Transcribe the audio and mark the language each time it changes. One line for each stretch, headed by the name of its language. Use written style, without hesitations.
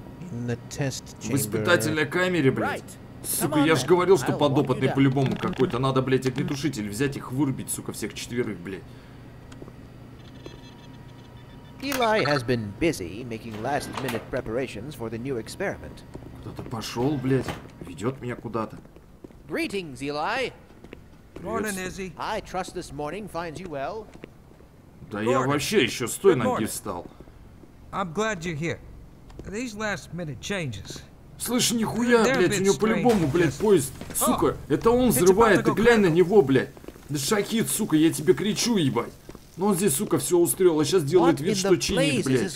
Russian: В испытательной камере, блядь. Сука, я ж говорил, что подопытный по-любому какой-то. Надо, блядь, огнетушитель взять их вырубить, сука, всех четверых, блядь.
English: Eli has been busy making last-minute preparations for the new experiment.
Russian: Кто-то пошел, блядь, ведет меня куда-то.
English: Greetings, Eli. Morning, Izzy. I trust this morning finds you well.
Russian: Да я вообще еще стой на ноги встал.
English: I'm glad you're here. These last-minute changes.
Russian: Слышь, нихуя, блядь, у него по-любому, блядь, поезд. Сука, это он взрывает, ты глянь на него, блядь. Да шахит, сука, я тебе кричу, ебать. Ну он здесь, сука, все устроил, а сейчас делает вид, что чинит, блядь.